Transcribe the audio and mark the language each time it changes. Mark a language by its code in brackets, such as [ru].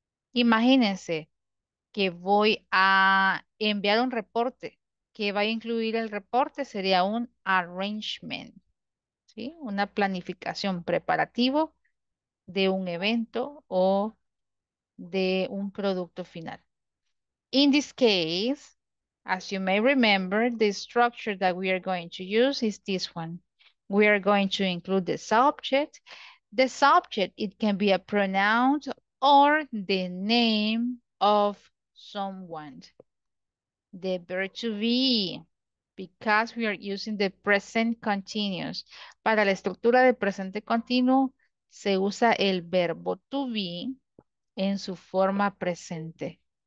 [es] Imagínense que voy a enviar un reporte. ¿Qué va a incluir el reporte? Sería un arrangement. ¿Sí? Una planificación preparativo de un evento o de un producto final. [en] In this case, as you may remember, the structure that we are going to use is this one. We are going to include the subject. The subject, it can be a pronoun or the name of someone. The verb to be, because we are using the present continuous. [es] Para la estructura del presente continuo, se usa el verbo to be en su forma presente.